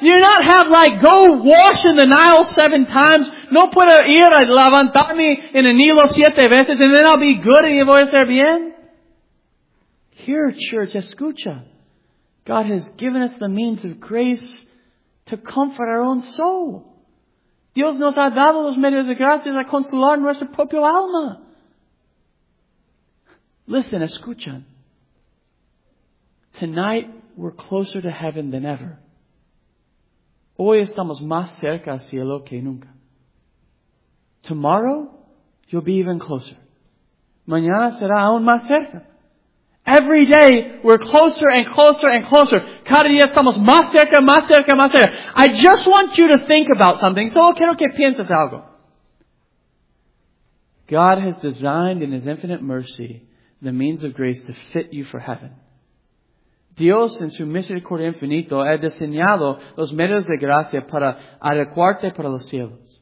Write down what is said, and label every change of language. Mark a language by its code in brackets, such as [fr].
[en] You not have like go wash in the Nile 7 times. [es] No puedo ir a levantarme en el Nilo 7 veces [en] and then I'll be good [es] and voy a estar bien. [en] Here, church, [es] escucha. [en] God has given us the means of grace to comfort our own soul. [es] Dios nos ha dado los medios de gracia para consolar nuestra propia alma. [en] Listen, [es] escuchan. [en] Tonight, we're closer to heaven than ever. [es] Hoy estamos más cerca al cielo que nunca. [en] Tomorrow, you'll be even closer. [es] Mañana será aún más cerca. [en] Every day, we're closer and closer and closer. [es] Cada día estamos más cerca, más cerca, más cerca. [en] I just want you to think about something. [es] Solo quiero que pienses algo. [en] God has designed in His infinite mercy the means of grace to fit you for heaven. [es] Dios, en su misericordia infinito, ha diseñado los medios de gracia para adecuarte para los cielos.